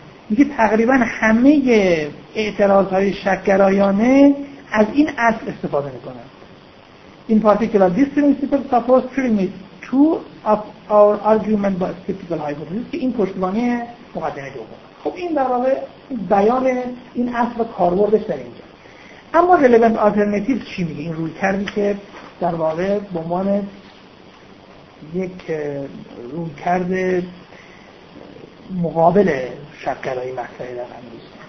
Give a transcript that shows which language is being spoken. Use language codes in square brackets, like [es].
[fa] میگه تقریبا همه اعتراضهای شکگرایانه از این اصل استفاده میکنن. [en] In particular, this principle supports premise two of our argument by skeptical hypothesis. [fa] که این پشتیبانی مقدمه دوم. خب این در واقع بیان این اصل و کاربردش در اینجا. اما relevant alternatives چی میگه؟ این رویکردی که در واقع به عنوان یک رویکرد مقابل شکگرایی مطرحه در امروز.